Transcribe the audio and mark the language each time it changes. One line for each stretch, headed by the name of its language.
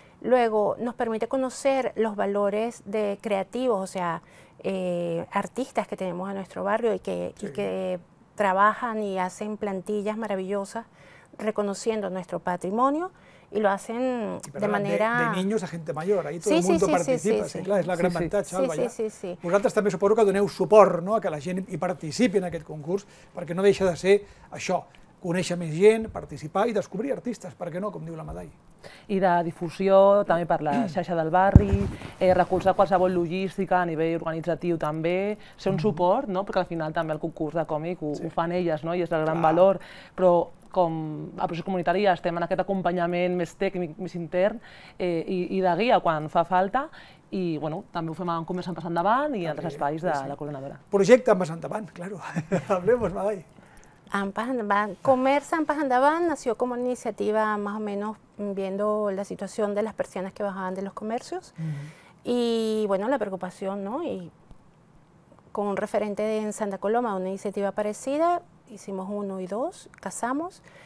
Spanish: Luego nos permite conocer los valores creativos, o sea, artistas que tenemos en nuestro barrio y que trabajan y hacen plantillas maravillosas reconociendo nuestro patrimonio y lo hacen de manera... De niños a gente mayor, ahí todo el mundo participa, es la gran ventaja. Sí.
Catalan: Vosaltres també suposo que doneu suport, no?, a que la gent hi participi en aquest concurs, perquè no deixa de ser això, conèixer més gent, participar i descobrir artistes, perquè no, com diu la Madai. I de difusió, també per la xarxa del barri, recolzar qualsevol logística a nivell organitzatiu també, ser un suport, no?, perquè al final també el concurs de còmic ho fan elles, no?, i és el gran valor, però com a procés comunitari estem en aquest acompanyament més tècnic, més intern i de guia quan fa falta, i bueno, també ho fem en Comerç AMPAs endavant i altres espais de la coordinadora.
Spanish: Projecte AMPAs endavant, claro. Hablemos, Madai. AMPAs endavant. Comerç AMPAs endavant nació com una iniciativa más o menos viendo la situación de las personas que bajaban de los comercios y bueno, la preocupación, ¿no? Y con un referente en Santa Coloma, una iniciativa parecida, hicimos uno y dos, casamos,